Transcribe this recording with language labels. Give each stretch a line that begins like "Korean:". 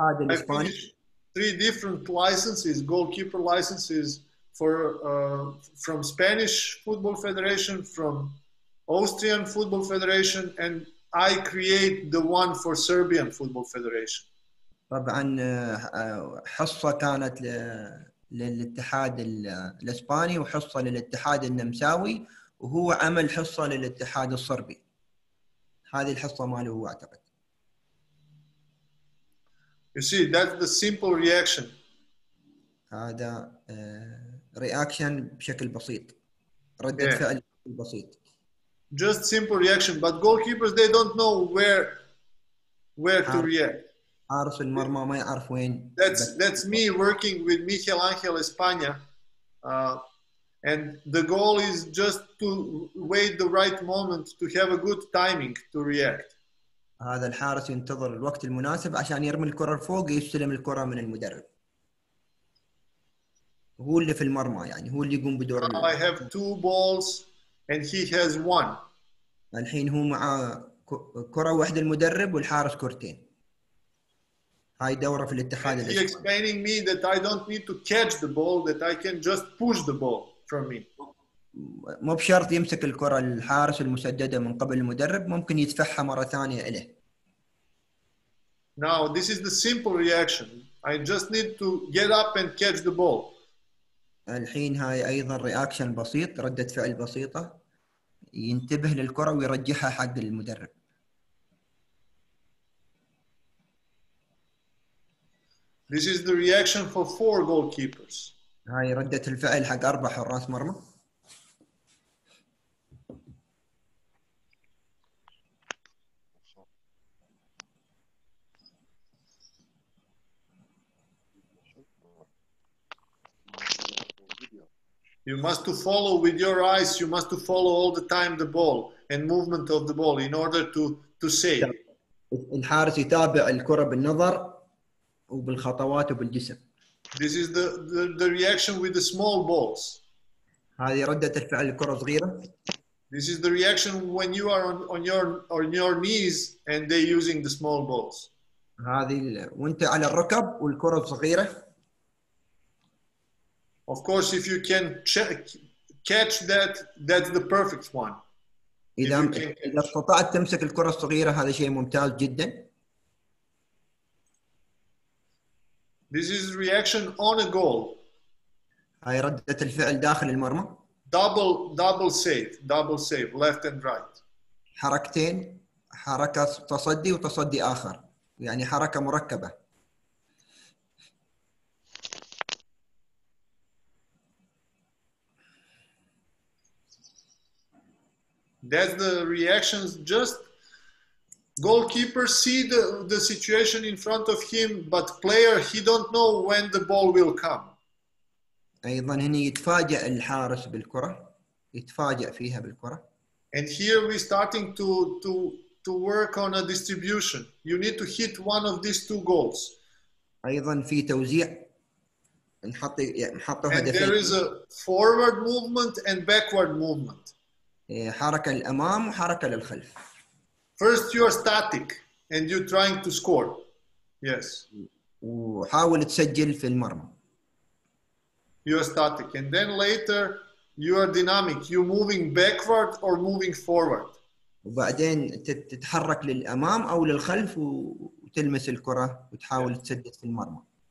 English: I finished three different licenses, goalkeeper licenses for from Spanish Football Federation, from Austrian Football Federation, and I create the one for Serbian Football Federation.
Arabic: طبعاً حصة كانت للاتحاد الإسباني وحصة للاتحاد النمساوي. وهو عمل حصة للاتحاد الصربي هذه الحصة ماله هو اعتقد.
English: You see that's the simple reaction.
Arabic: هذا reaction بشكل بسيط ردة yeah. فعل بشكل بسيط.
English: Just simple reaction but goalkeepers they don't know where to react.
Arabic: عارف المرمى ما يعرف وين.
English: That's me working with Miguel Angel España. And the goal is just to wait the right moment to have a good timing to react.
Arabic: هذا الحارس ينتظر الوقت المناسب عشان يرمي الكرة فوق يستلم الكرة من المدرب. هو اللي في المرمى يعني هو اللي يقوم بدور.
English: I have two balls and he has one.
Arabic: الحين هو مع كرة واحدة المدرب والحارس كرتين. هاي دورة في الاتحاد.
English: He explaining me that I don't need to catch the ball that I can just push the ball. From me.
Arabic: مو بشرط يمسك الكرة الحارس المسددة من قبل المدرب ممكن يدفعها مرة ثانية إليه.
English: Now this is the simple reaction. I just need to get up and catch the ball.
Arabic: الحين هاي أيضا رياكشن بسيط ردة فعل بسيطة ينتبه للكرة ويرجعها حق المدرب.
English: This is the reaction for four goalkeepers.
Arabic: هاي ردة الفعل حق أربع حراس مرمى.
English: You must to follow with your eyes. You must to follow all the time the ball and movement of the ball in order to save.
Arabic: الحارس يتابع الكرة بالنظر وبالخطوات وبالجسم.
English: This is the reaction with the small balls.
Arabic: هذه ردة الفعل الكرة صغيرة.
English: This is the reaction when you are on your knees and they using the small balls.
Arabic: هذه وانت على الركب والكرة صغيرة.
English: Of course, if you can catch that, that's the perfect one.
Arabic: إذا استطعت تمسك الكرة الصغيرة هذا شيء ممتاز جدا.
English: This is reaction on a goal.
Arabic: هاي ردة الفعل داخل المرمى.
English: Double save, left and right.
Arabic: حركتين، حركة تصدي وتصدي آخر، يعني حركة مركبة.
English: That's the reactions. Just goalkeeper see the situation in front of him, but player he don't know when the ball will come.
Arabic: أيضا هنا يتفاجأ الحارس بالكرة، يتفاجأ فيها بالكرة.
English: And here we starting to work on a distribution. You need to hit one of these two goals.
Arabic: أيضا في توزيع نحط نحط هدفين.
English: And there is a forward movement and backward movement.
Arabic: حركة الأمام وحركة للخلف.
English: First you are static and you're trying to score. Yes.
Arabic: وحاول تسجل في المرمى.
English: You are static and then later you are dynamic. You're moving backward or moving forward.
Arabic: وبعدين تتحرك للأمام أو للخلف وتلمس الكرة وتحاول تسدد في المرمى.